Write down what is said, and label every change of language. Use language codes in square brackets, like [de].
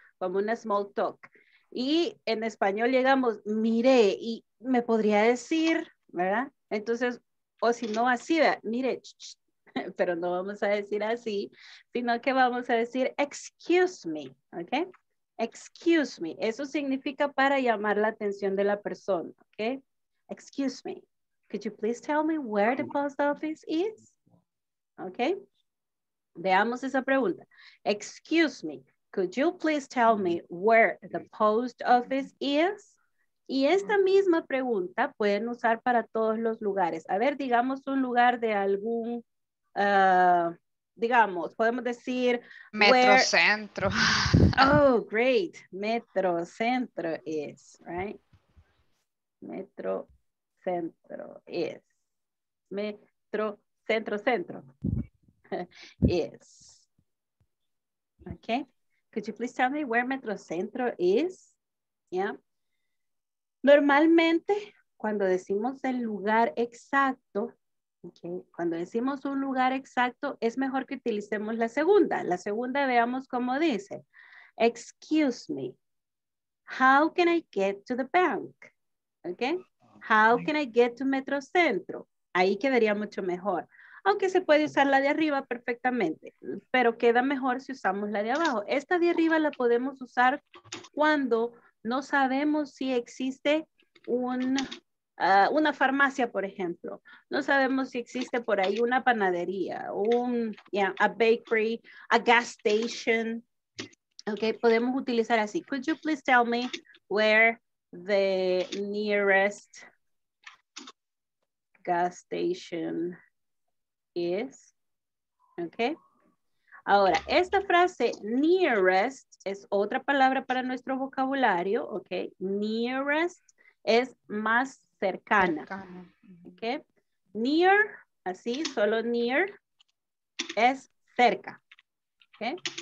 [es] Como un small talk. Y en español llegamos, mire, y me podría decir, ¿verdad? Entonces, o si no así, mire, pero no vamos a decir así, sino que vamos a decir, [en] excuse me, [es] ¿ok? [en] Excuse me, [es] eso significa para llamar la atención de la persona, ¿ok? [en] Excuse me, could you please tell me where the post office is? ¿Ok? [es] Veamos esa pregunta. [en] Excuse me, could you please tell me where the post office is? [es] Y esta misma pregunta pueden usar para todos los lugares. A ver, digamos un lugar de algún, digamos, podemos decir... Metrocentro. [en] Oh, great. Metrocentro is, right? Metrocentro is. Metrocentro, centro. Is. Okay. Could you please tell me where Metrocentro is? Yeah. [es] Normalmente, cuando decimos el lugar exacto, okay, cuando decimos un lugar exacto, es mejor que utilicemos la segunda. La segunda, veamos cómo dice. [en] Excuse me, how can I get to the bank? Okay. How can I get to Metrocentro? [es] Ahí quedaría mucho mejor. Aunque se puede usar la de arriba perfectamente, pero queda mejor si usamos la de abajo. Esta de arriba la podemos usar cuando... No sabemos si existe una farmacia, por ejemplo. No sabemos si existe por ahí una panadería, [en] a bakery, a gas station. [es] Okay, podemos utilizar así. [en] Could you please tell me where the nearest gas station is? Okay. [es] Ahora, esta frase nearest es otra palabra para nuestro vocabulario, ¿ok? Nearest es más cercana, ¿ok? Near, así, solo near, es cerca, ¿ok?